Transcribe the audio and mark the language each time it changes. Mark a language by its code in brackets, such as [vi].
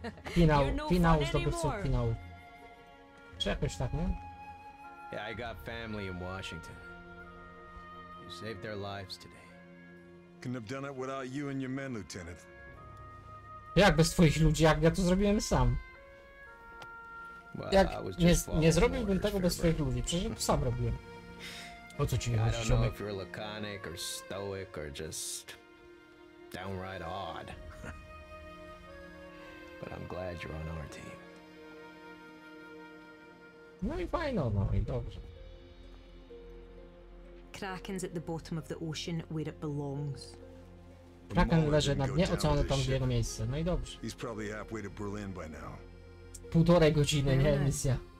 [pl] Finał, finał zdobywców finału. Czy jakoś tak, nie? [en] Yeah, I got family in Washington. You saved their lives today. Couldn't have done it without you and your men, Lieutenant. [pl] Jak bez twoich ludzi, jak ja to zrobiłem sam? Jak nie zrobiłbym tego bez swoich ludzi, przecież to sam robiłem. O co ci chodzi, ciomek? [en] I don't know if you're laconic or stoic or just downright odd. But I'm glad you're on our team. [pl] No i fajno, no i dobrze. [en] Kraken's at the bottom of the ocean where it belongs. [pl] Kraken leży na dnie oceanu tam gdzie jego miejsce, no i dobrze. [en] He's probably halfway to Berlin by now. [pl] Półtorej godziny, nie misja.